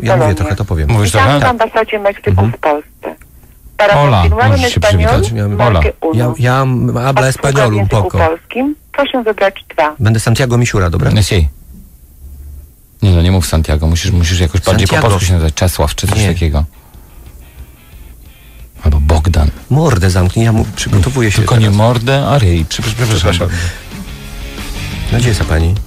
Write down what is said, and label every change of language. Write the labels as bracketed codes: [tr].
[pl] ja mówię trochę, to powiem. Mówisz trochę? W ambasadzie Meksyku w Polsce. [es] Para Hola, [pl] możesz się przywitać. [es] Hola. Ja habla español un poco. [pl] Proszę wybrać dwa. Będę Santiago Misiura, dobra? Nie, si. Nie no, nie mów Santiago, musisz jakoś bardziej Santiago. Po polsku się nazywać Czesław, czy coś nie. takiego. Albo Bogdan. Mordę zamknij, ja przygotowuję się. Tylko teraz. Nie mordę, a ryj. Przepraszam. No gdzie jest ta pani?